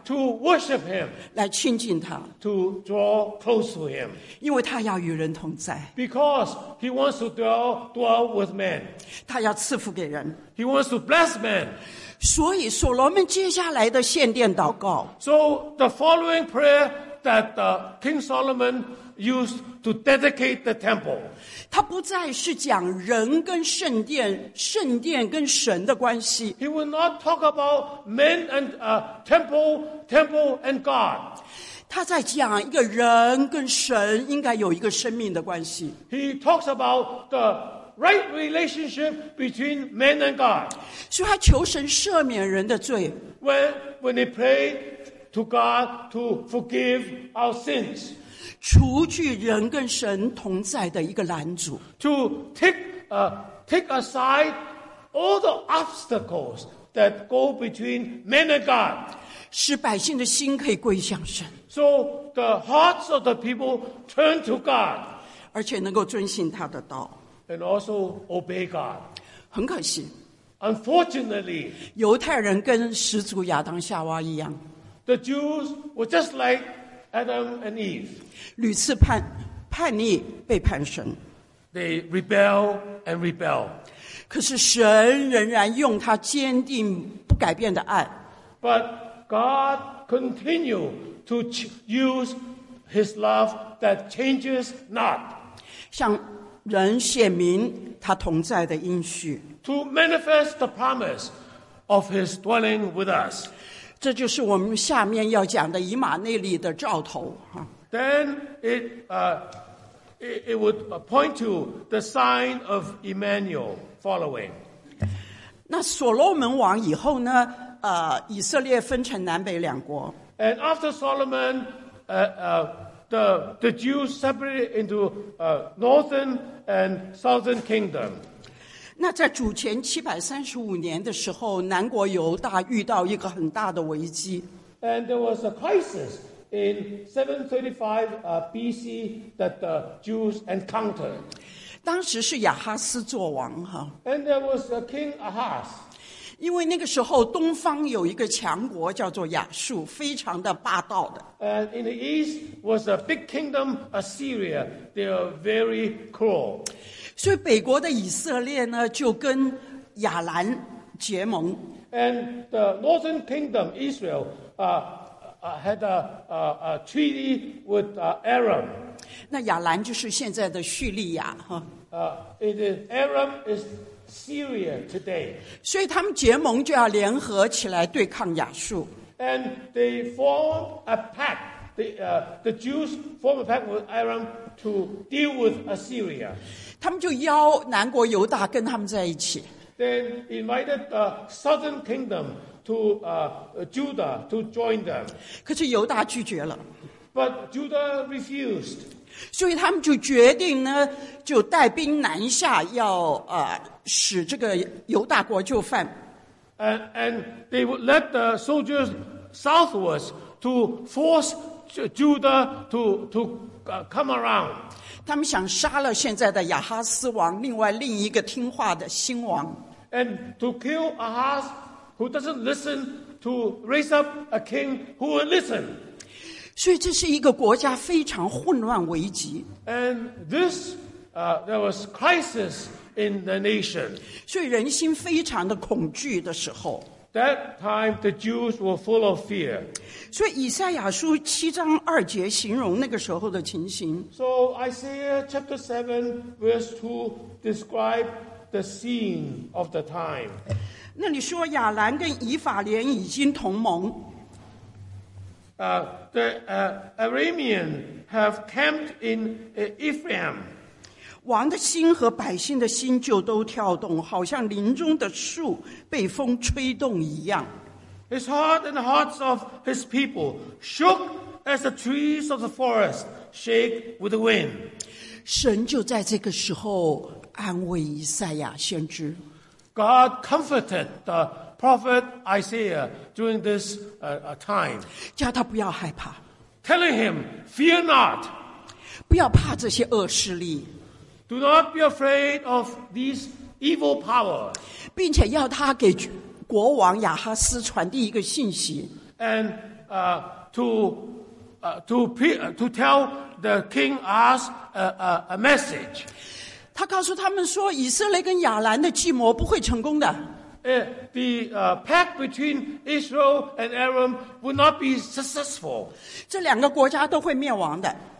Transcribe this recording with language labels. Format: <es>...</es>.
<en>To worship him.</en> <zh>来亲近他。</zh> <en>To draw close to him.</en> <zh>因为他要与人同在。</zh> <en>Because he wants to dwell with men.</en> <zh>他要赐福给人。</zh> <en>He wants to bless men.</en> <zh>所以所罗门接下来的献殿祷告。</zh> <en>So the following prayer that King Solomon used to dedicate the temple.</en> <zh>他不再是讲人跟圣殿，圣殿跟神的关系。</zh> <en>He will not talk about men and temple and God.</en> <zh>他在讲一个人跟神应该有一个生命的关系。</zh> <en>He talks about the right relationship between men and God.</en> <zh>所以他求神赦免人的罪。</zh> <en>When he prayed to God to forgive our sins.</en> <zh>除去人跟神同在的一个拦阻</zh> <en>to take aside all the obstacles that go between men and God</en> <zh>使百姓的心可以归向神</zh> <en>so the hearts of the people turn to God</en> <zh>而且能够遵行他的道</zh> <en>and also obey God</en> <zh>很可惜</zh> <en>unfortunately</en> <zh>犹太人跟始祖亚当夏娃一样</zh> <en>the Jews were just like Adam and Eve</en> <zh>屡次叛逆背叛神</zh> <en>They rebel and rebel</en> <zh>可是神仍然用他坚定不改变的爱</zh> <en>But God continue to use his love that changes not</en> <zh>向人显明他同在的应许</zh> <en>To manifest the promise of his dwelling with us</en> <zh>这就是我们下面要讲的以马内利的兆头。</zh> <en>Then it would point to the sign of Immanuel following.</en> <zh>那所罗门王以后呢？以色列分成南北两国。</zh> <en>And after Solomon, the Jews separated into northern and southern kingdom.</en> <zh>那在主前735年的时候，南国犹大遇到一个很大的危机。</zh> <en>And there was a crisis in 735 BC that the Jews encountered.</en> <zh>当时是亚哈斯做王哈。</zh> <en>And there was a king Ahaz.</en> <zh>因为那个时候东方有一个强国叫做亚述，非常的霸道的。</zh> <en>And in the east was a big kingdom Assyria. They are very cruel.</en> <zh>所以北国的以色列呢，就跟亚兰结盟。</zh> <en>And the northern kingdom Israel, had a treaty with Aram.</en> <zh>那亚兰就是现在的叙利亚哈。</zh> <en>It is Aram is Syria today.</en> <zh>所以他们结盟就要联合起来对抗亚述。</zh> <en>And they formed a pact. The Jews formed a pact with Aram to deal with Assyria.</en> <zh>他们就邀南国犹大跟他们在一起。</zh> <en>Then invited the southern kingdom to Judah to join them.</en> <zh>可是犹大拒绝了。</zh> <en>But Judah refused.</en> <zh>所以他们就决定呢，就带兵南下，要使这个犹大国就范。</zh> <en>And they would let the soldiers southwards to force Judah to come around.</en> <zh>他们想杀了现在的亚哈斯王，另一个听话的新王。</zh> <en>And to kill Ahaz who doesn't listen, to raise up a king who will listen.</en> <zh>所以这是一个国家非常混乱危机。</zh> <en>And this, there was crisis in the nation.</en> <zh>所以人心非常的恐惧的时候。</zh> <en>That time the Jews were full of fear.</en> <zh>所以以赛亚书七章二节形容那个时候的情形。</zh> <en>So Isaiah chapter 7 verse 2 describe the scene of the time.</en> <zh>那你说亚兰跟以法莲已经同盟。</zh> <en>The Arameans have camped in Ephraim.</en> <zh>王的心和百姓的心就都跳动，好像林中的树被风吹动一样。</zh> <en>His heart and the hearts of his people shook as the trees of the forest shake with the wind.</en> <zh>神就在这个时候安慰以赛亚先知。</zh> <en>God comforted the prophet Isaiah during this time.</en> <zh>叫他不要害怕。</zh> <en>Telling him, fear not.</en> <zh>不要怕这些恶势力。</zh> <en>Do not be afraid of these evil powers.</en> <zh>并且要他给国王亚哈斯传递一个信息。</zh> <en>And to tell the king us a message.</en> <zh>他告诉他们说，以色列跟亚兰的计谋不会成功的。</zh> <en>The pact between Israel and Aram would not be successful.</en> <zh>这两个国家都会灭亡的。</zh>